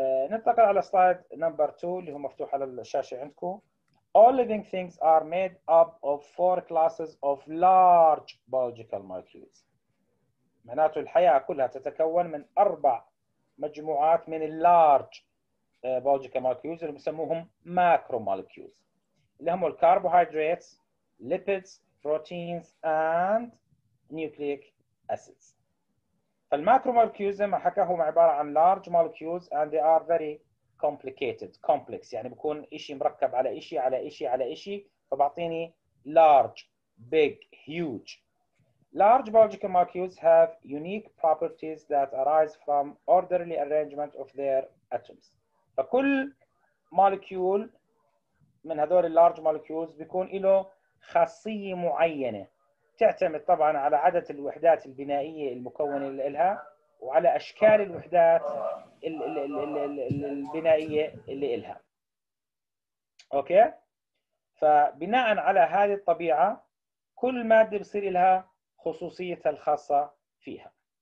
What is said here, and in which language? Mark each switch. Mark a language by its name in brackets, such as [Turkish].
[Arabic] ننتقل على سلايد نمبر 2 اللي هو مفتوح على الشاشه عندكم [English] all living things are made up of four classes of large biological molecules [Arabic] معناته الحياه كلها تتكون من اربع مجموعات من اللارج [English] biological molecules [Arabic] اللي بسموهم ماكرو مولكيولز اللي هم الكربوهيدراتس، ليبيدز، بروتينز، [English] and nucleic acids. [Arabic] فالماكرو مولكيولز زي ما حكى هو عبارة عن [English] large molecules and they are very complicated, complex. [Arabic] يعني بكون إشي مركب على إشي على إشي على إشي فبعطيني [English] large, big, huge. Large biological molecules have unique properties that arise from orderly arrangement of their atoms. [Arabic] فكل molecule من هذول اللارج مولكيولز بيكون له خاصيه معينه تعتمد طبعا على عدد الوحدات البنائيه المكونه لها وعلى اشكال الوحدات البنائيه اللي لها اوكي فبناء على هذه الطبيعه كل ماده بصير لها خصوصيتها الخاصه فيها